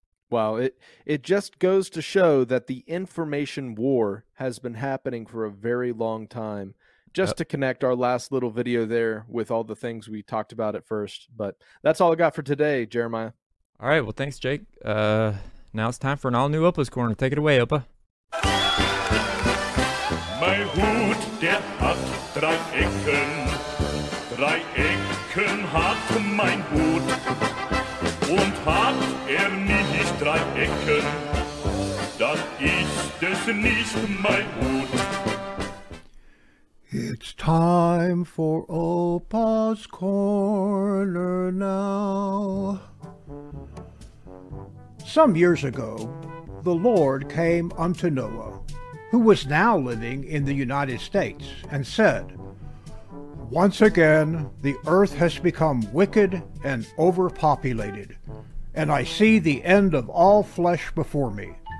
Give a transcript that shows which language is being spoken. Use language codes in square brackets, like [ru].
[en] Well, it just goes to show that the information war has been happening for a very long time. Just to connect our last little video there with all the things we talked about at first. But that's all I got for today, Jeremiah. All right. Well, thanks, Jake. Now it's time for an all-new Opa's Corner. Take it away, Opa. [de] My hood, der hat drei Ecken. Drei Ecken hat mein Hut. Und hat nicht drei Ecken, dann ist es nicht mein Hut. [en] It's time for Opa's Corner now. Some years ago, the Lord came unto Noah, who was now living in the United States, and said, "Once again, the earth has become wicked and overpopulated, and I see the end of all flesh before me.